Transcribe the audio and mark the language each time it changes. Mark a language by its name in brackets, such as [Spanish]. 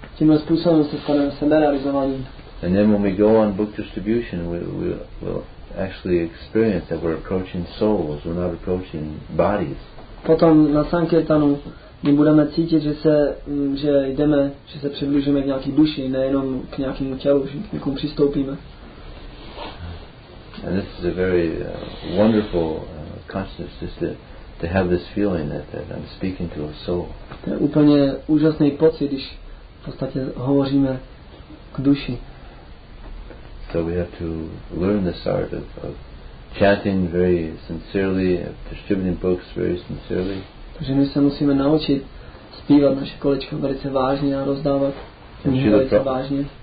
[Czech] Tímhle způsobem se staneme seberealizovaní. [English] And then when we go on book distribution, we'll actually experience that we're approaching souls, we're not approaching bodies. [Czech] Potom na sankirtanu my budeme cítit, že se přiblížíme k nějaký duši, nejenom k nějakému tělu, že k někomu přistoupíme. [English] And this is a very wonderful consciousness, just to have this feeling that I'm speaking to a soul. [Czech] To je úplně úžasný pocit, když v podstatě hovoříme k duši. [English] So we have to learn this art of chanting very sincerely, of distributing books very sincerely. [Czech] Takže my se musíme naučit zpívat naše kolečka velice vážně a rozdávat knihy velice vážně.